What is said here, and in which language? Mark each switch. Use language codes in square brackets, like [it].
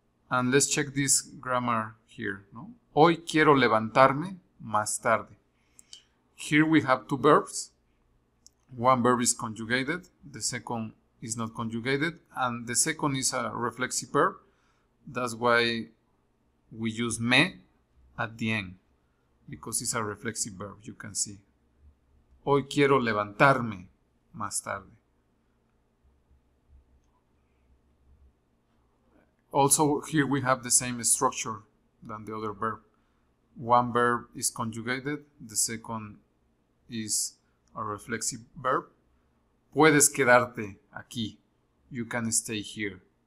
[en] And let's check this grammar here. No? [es] Hoy quiero levantarme más tarde. [en] Here we have two verbs. One verb is conjugated. The second is not conjugated. And the second is a reflexive verb. That's why we use me at the end, because it's a reflexive verb, you can see. [es] Hoy quiero levantarme más tarde. [en] Also, here we have the same structure than the other verb. One verb is conjugated, the second is a reflexive verb. [es] Puedes quedarte aquí, [en] you can stay here.